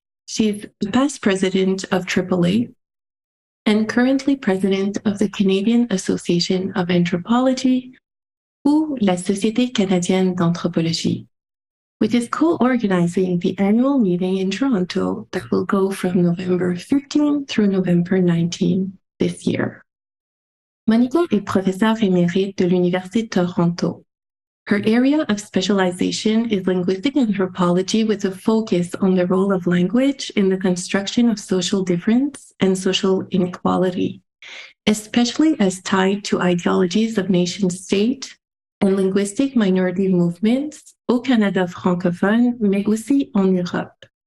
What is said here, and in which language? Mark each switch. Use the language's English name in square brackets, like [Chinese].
[English] She's the past president of AAA and currently president of the Canadian Association of Anthropology, [French] ou la Société canadienne d'anthropologie, [English] which is co-organizing the annual meeting in Toronto that will go from November 15 through November 19 this year. [French] Monica est professeure émérite de l'Université de Toronto. [English] Her area of specialization is linguistic anthropology with a focus on the role of language in the construction of social difference and social inequality, especially as tied to ideologies of nation state and linguistic minority movements [French] au Canada francophone, mais aussi en Europe.